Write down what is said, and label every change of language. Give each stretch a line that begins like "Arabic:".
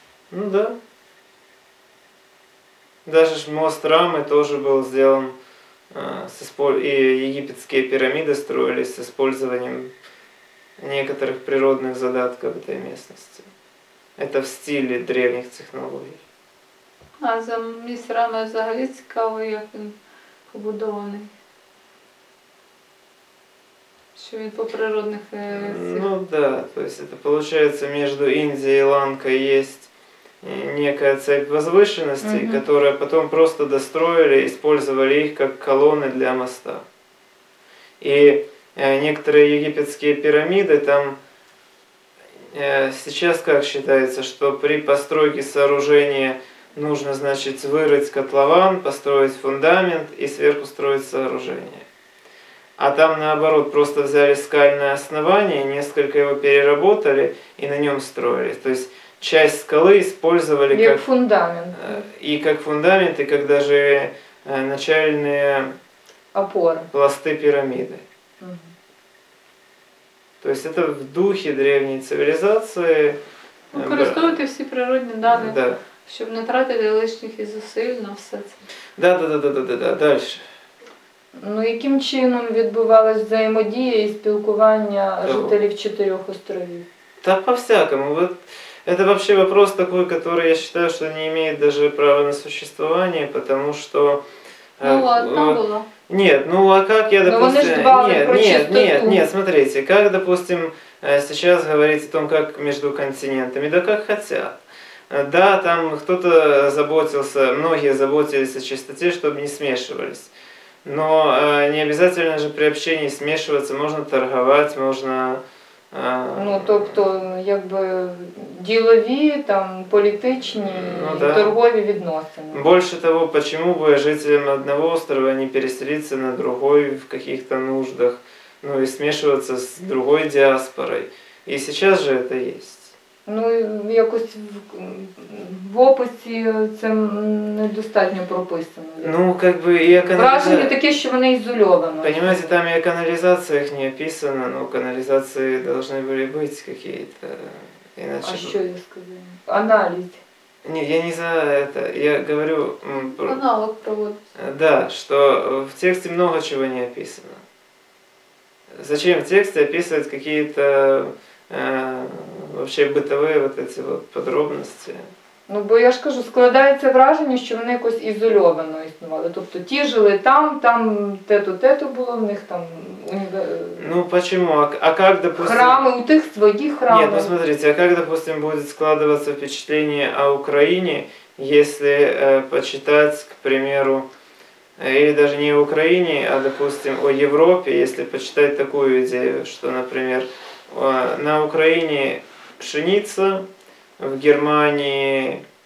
Russian: Ну да. Даже ж мост Рамы тоже был сделан, и египетские пирамиды строились с использованием некоторых природных задатков этой местности.
Ukrainian: Это в стилі древніх технологій. А за місцями взагалі цікаво, як він побудований. Що він по природних цих...
Russian: Ну да, то есть это получается между Индией и Ланкой есть некая цепь возвышенностей, угу. которые потом просто достроили, использовали их как колонны для моста. И некоторые египетские пирамиды там сейчас как считается, что при постройке сооружения нужно, значит, вырыть котлован, построить фундамент и сверху строить сооружение. А там наоборот, просто взяли скальное основание, несколько его переработали и на нем строили. То есть часть скалы использовали как фундамент. И как фундамент, и как даже начальные опоры. Пласты пирамиды. Угу. То есть это в духе древней цивилизации.
Ukrainian: Використовувати всі природні дані,
Russian: да.
Ukrainian: щоб не тратити лишніх зусиль на все це.
Russian: Да. Дальше.
Ukrainian: Ну, яким чином відбувалась взаємодія і спілкування жителів чотирьох островів? Та по-всякому.
Russian: Вот это вообще вопрос такой, который я считаю, что не имеет даже права на существование, потому что... Ну, там было. Нет, ну а как я, допустим... Но вы же двали про чистоту. Нет, смотрите, как, допустим, сейчас говорить о том, как между континентами, да как хотят. Да, там кто-то заботился, многие заботились о чистоте, чтобы не смешивались. Но не обязательно же при общении смешиваться, можно торговать, можно...
Ukrainian: Ну, тобто,
Russian: как бы,
Ukrainian: ділові, там, політичні,
Russian: ну, да.
Ukrainian: торгові відносини.
Russian: Больше того, почему бы жителям одного острова не переселиться на другой в каких-то нуждах, ну, и смешиваться с другой диаспорой. И сейчас же это есть.
Ukrainian: Ну, якось в описі це недостатньо прописано.
Russian: Ну, как бы, и канализация...
Ukrainian: Враження таке, що вони ізольовані.
Russian: Понимаете, там и о канализациях не описано, но канализации должны были быть какие-то, иначе... А что я сказала? Анализ. Не, я не за это, я говорю... Аналог проводится. Да, что в тексте много чего не описано. Зачем в тексте описывать какие-то вообще бытовые вот эти вот подробности?
Ukrainian: Ну, бо я ж кажу, складається враження, що вони якось ізольовано існували. Тобто ті жили там, там те-то було в них, там
Russian: Ну, почему? А как, допустим...
Ukrainian: Храми, у тих свої храми.
Russian: Ні, ну, смотрите, а как, допустим, будет складываться впечатление о Украине, если почитать, к примеру, или даже не о Украине, а, допустим, о Европе, если почитать такую идею, что, например, на Украине пшеница, в Германии